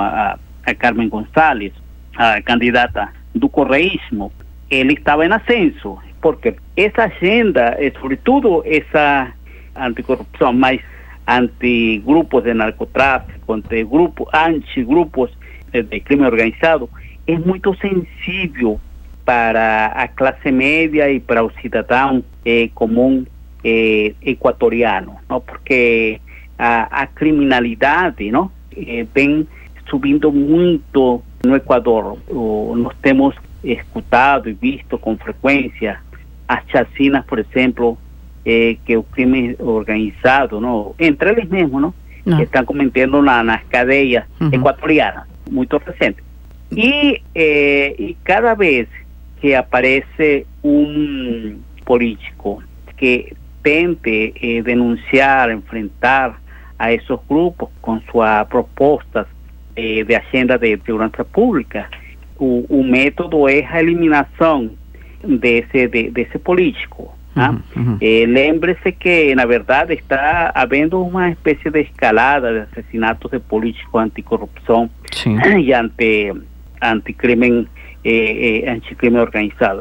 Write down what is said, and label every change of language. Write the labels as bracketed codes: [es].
[es] A Carmen González, a candidata del correísmo, él estaba en ascenso, porque esa agenda, sobre todo esa anticorrupción, más antigrupos de narcotráfico, antigrupos de crimen organizado, es muy sensible [pt] para a classe média e para o cidadão comum equatoriano, não? Porque a criminalidade, não? Vem subindo muito no Equador. Nós temos escutado e visto com frequência as chacinas, por exemplo, que o crime organizado, não? Entre eles mesmos, não? Não. Que estão cometendo nas cadeias equatorianas, muito recente. [es] E cada vez que aparece un político que tente denunciar, enfrentar a esos grupos con sus propuestas de agenda de seguridad pública, el método es la eliminación de ese político. [pt] Lembre-se que, na verdade, está havendo uma especie de escalada de assassinatos de políticos anticorrupção e anticrimen anticrimen organizado.